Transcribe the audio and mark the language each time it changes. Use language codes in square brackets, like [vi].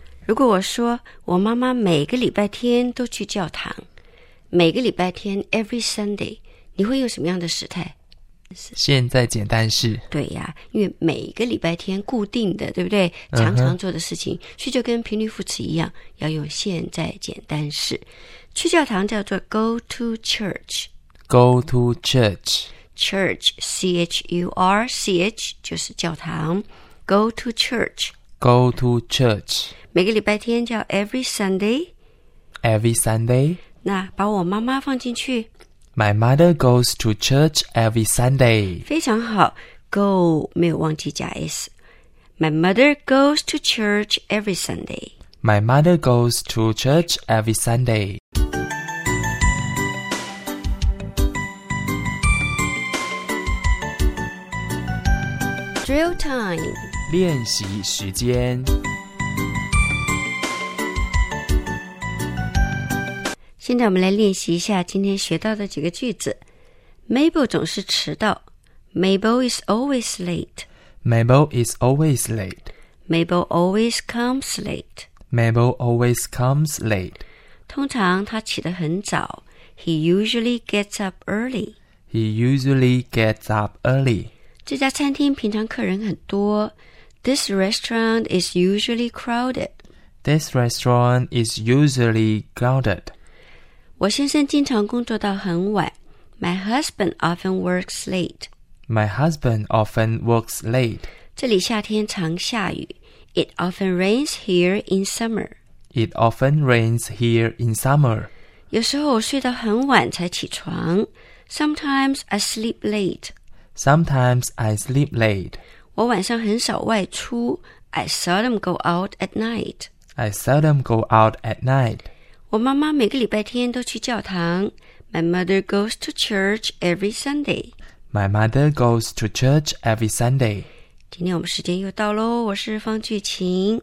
[zh] 如果我说我妈妈每个礼拜天都去教堂，每个礼拜天 every Sunday, 你会用什么样的时态？现在简单是对呀、啊，因为每个礼拜天固定的，对不对？常常做的事情，所以就跟频率副词一样，要用现在简单式。去教堂叫做 go to church, [en] go to church, [zh] church c h u r c h 就是教堂 ， go to church, [en] go to church。 [zh] 每个礼拜天叫 every Sunday, [en] every Sunday。 [zh] 那把我妈妈放进去。 [en] My mother goes to church every Sunday. [zh] 非常好 ,go, 没有忘记加 s. [en] My mother goes to church every Sunday. My mother goes to church every Sunday. Drill time. [zh] 练习时间。现在我们来练习一下今天学到的几个句子。 [en] Mabel 总是迟到。 Mabel is always late. Mabel is always late. Mabel always comes late. Mabel always comes late. [zh] 通常他起得很早。 [en] He usually gets up early. He usually gets up early. [zh] 这家餐厅平常客人很多。 [en] This restaurant is usually crowded. This restaurant is usually crowded. [zh] 我先生经常工作到很晚。 [en] My husband often works late. My husband often works late. [zh] 这里夏天常下雨。 [en] It often rains here in summer. It often rains here in summer. [zh] 有时候我睡到很晚才起床。 [en] Sometimes I sleep late. Sometimes I sleep late. 我晚上很少外出。 I seldom go out at night. I seldom go out at night. [zh] 我妈妈每个礼拜天都去教堂。 [en] My mother goes to church every Sunday. My mother goes to church every Sunday. [zh] 今天我们时间又到咯，我是方巨琴，